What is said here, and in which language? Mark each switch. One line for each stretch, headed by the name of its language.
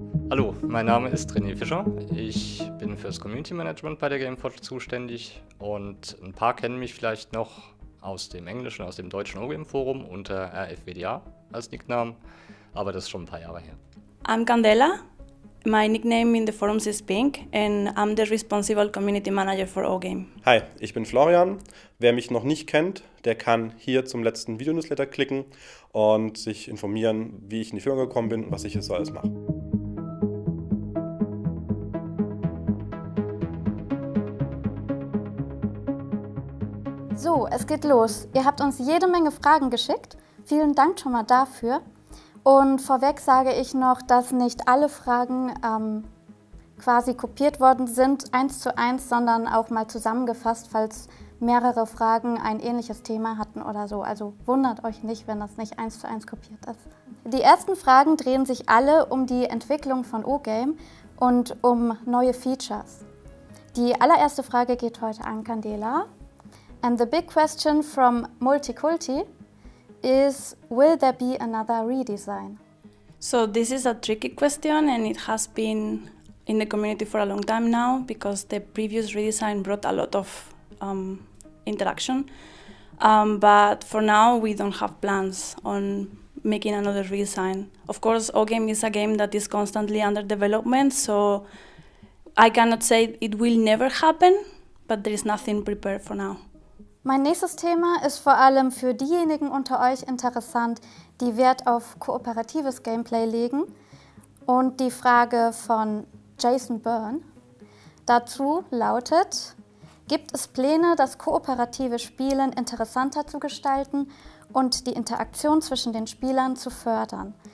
German: Hallo, mein Name ist René Fischer. Ich bin fürs Community Management bei der Gameforge zuständig und ein paar kennen mich vielleicht noch aus dem englischen, aus dem deutschen OGame Forum unter RFWDA als Nicknamen, aber das ist schon ein paar Jahre her.
English: I'm Candela. My nickname in the forums is Pink and I'm the responsible Community Manager for OGame.
German: Hi, ich bin Florian. Wer mich noch nicht kennt, der kann hier zum letzten Videonewsletter klicken und sich informieren, wie ich in die Firma gekommen bin und was ich hier so alles mache. So, es geht los. Ihr habt uns jede Menge Fragen geschickt. Vielen Dank schon mal dafür. Und vorweg sage ich noch, dass nicht alle Fragen quasi kopiert worden sind, eins zu eins, sondern auch mal zusammengefasst, falls mehrere Fragen ein ähnliches Thema hatten oder so. Also wundert euch nicht, wenn das nicht eins zu eins kopiert ist. Die ersten Fragen drehen sich alle um die Entwicklung von OGame und um neue Features. Die allererste Frage geht heute an Candela.
English: And the big question from Multikulti is, will there be another redesign? So this is a tricky question and it has been in the community for a long time now because the previous redesign brought a lot of interaction. But for now, we don't have plans on making another redesign. Of course, OGame is a game that is constantly under development, so I cannot say it will never happen, but there is nothing prepared for now.
German: Mein nächstes Thema ist vor allem für diejenigen unter euch interessant, die Wert auf kooperatives Gameplay legen. Und die Frage von Jason Byrne dazu lautet, gibt es Pläne, das kooperative Spielen interessanter zu gestalten und die Interaktion zwischen den Spielern zu fördern?